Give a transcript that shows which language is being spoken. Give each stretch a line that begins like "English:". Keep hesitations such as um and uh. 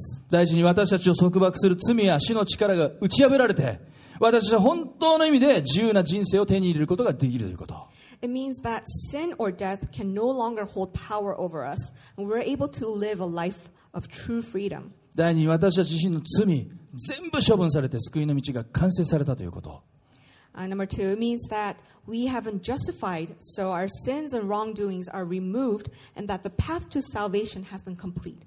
Japanese: 大事に私たちを束縛する罪や死の力が打ち破られて私たちは本当の意味で自由な人生を手に入れることができるということ。
English: It means that sin or death can no longer hold power over us and we're able to live a life of true freedom.
Japanese: 第二、私たち自身の罪、全部処分されて救いの道が完成されたということ。
English: Uh, number two, it means that we haven't justified, so our sins and wrongdoings are removed, and that the path to salvation has been complete.